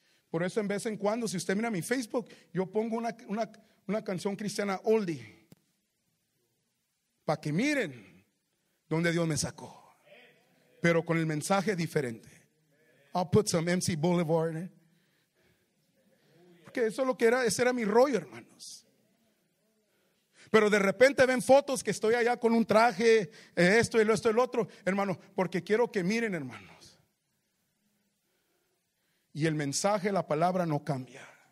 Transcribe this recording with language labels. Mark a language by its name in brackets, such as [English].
[Spanish] Por eso, en vez en cuando, si usted mira mi Facebook, yo pongo una canción cristiana oldie, para que miren dónde Dios me sacó, pero con el mensaje diferente. [English] I'll put some MC Boulevard. [Spanish] Porque eso es lo que era, ese era mi rollo, hermanos. Pero de repente ven fotos que estoy allá con un traje, esto y el otro, hermano, porque quiero que miren, hermano. Y el mensaje, la palabra no cambia.